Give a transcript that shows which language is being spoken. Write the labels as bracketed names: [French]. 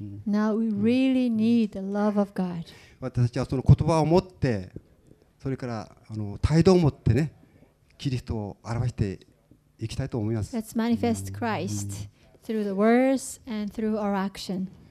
[English] Now we really need the love of God. [Japanese] 私たちはその言葉を持って、それから態度を持ってね、キリストを表していきたいと思います。 [English] Let's manifest Christ through the words and through our action.